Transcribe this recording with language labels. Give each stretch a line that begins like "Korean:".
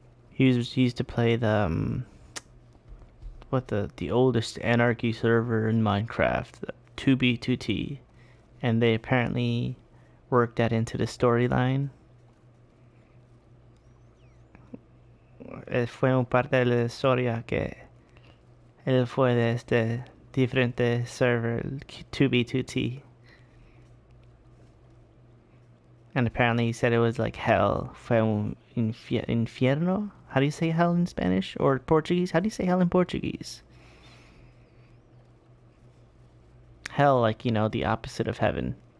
English: He used to play the oldest anarchy server in Minecraft, 2B2T. And they apparently worked that into the storyline.
Spanish: Fue un parte de la historia que él fue de este diferente server, 2B2T.
English: And apparently he said it was like hell.
Spanish: Fue un infierno?
English: How do you say hell in Spanish? Or Portuguese? How do you say hell in Portuguese? Hell, like, you know, the opposite of heaven.